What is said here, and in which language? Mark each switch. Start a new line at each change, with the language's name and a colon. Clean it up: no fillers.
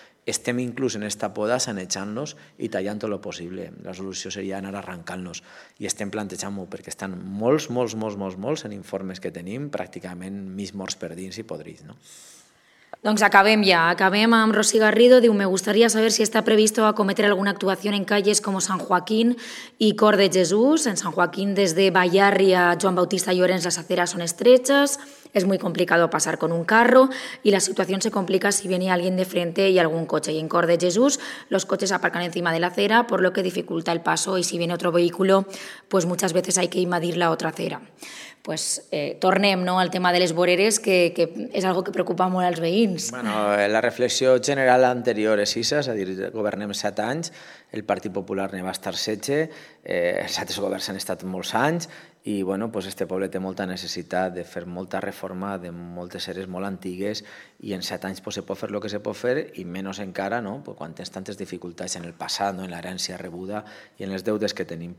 Catalan: Estem inclús en esta poda sanejant-los i tallant tot el possible. La solució seria anar arrencant-los i estem plantejant-ho perquè estan molts en informes que tenim, pràcticament mig morts per dins i podrits, no? Doncs acabem ja. Acabem amb Rosy Garrido. Diu,
Spanish: me gustaría saber si está previsto acometer alguna actuación en calles como San Joaquín y Cor de Jesús. En San Joaquín, desde Vallarri a Joan Bautista Llorens, las aceras son estrechas. Es muy complicado pasar con un carro y la situación se complica si viene alguien de frente y algún coche. Y en Cor de Jesús, los coches aparcan encima de la acera, por lo que dificulta el paso y si viene otro vehículo, pues muchas veces hay que invadir la otra acera.
Catalan: pues tornem, no, al tema de les voreres, que és algo que preocupa molt als veïns. Bueno, la reflexió general anterior és ixa, és a dir, governem 7 anys, el Partit Popular ne va estar 16, els altres governs han estat molts anys i bueno, pues este poble té molta necessitat de fer molta reforma de moltes eres molt antigues i en 7 anys pues, se pot fer el que se pot fer i menys encara, no, pues, quan tens tantes dificultats en el passat, no, en l'herència rebuda i en els deutes que tenim.